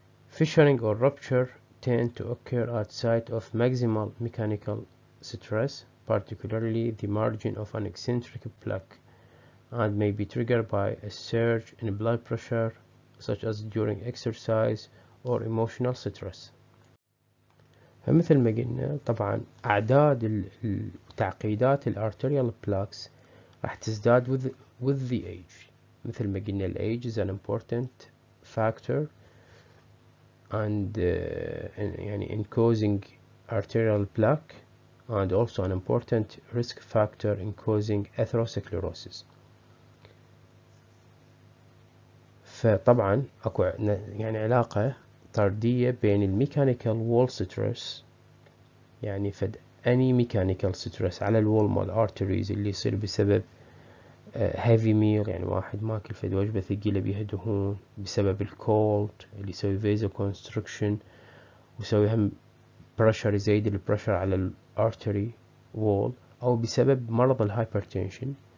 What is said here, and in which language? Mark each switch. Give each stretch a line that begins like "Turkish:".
English: Fissuring or rupture tend to occur at site of maximal mechanical stress, particularly the margin of an eccentric plaque, and may be triggered by a surge in blood pressure such as during exercise or emotional stress.
Arabic: فمثل ما قلنا طبعا اعداد التعقيدات الارتيريال بلاكس راح تزداد
English: with the age.
Arabic: مثل ما قلنا
English: ال age is an important factor and in causing arterial plaque and also an important risk factor in causing atherosclerosis.
Arabic: فطبعا اكو يعني علاقة طردية بين الميكانيكال وول ستريس، يعني فد اني ميكانيكال ستريس على الوول مال ارتريز اللي يصير بسبب هيفي ميل، يعني واحد ماكل فد وجبة ثقيلة بيها دهون، بسبب الكولد اللي يسوي فيزو كونستركشن ويسوي هم بريشر يزيد البريشر على الارتري وول، او بسبب مرض الهايبرتنشن